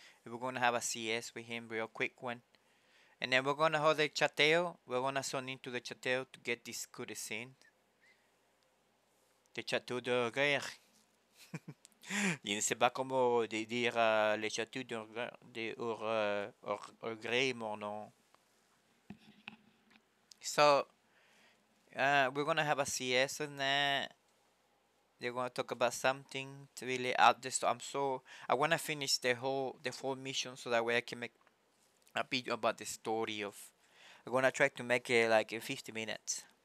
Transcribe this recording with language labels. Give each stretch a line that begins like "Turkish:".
English: And we're gonna have a CS with him, real quick one. And then we're gonna hold the chateo. We're gonna zone into the chateo to get this good scene. The chateau de guerre.
French: Je ne sais pas comment dire le chateau de guerre, mon nom.
English: So, we're gonna have a CS on that. They're gonna talk about something to really add this. I wanna finish the full mission so that way I can make a video about the story of. I'm gonna try to make it like in 50 minutes.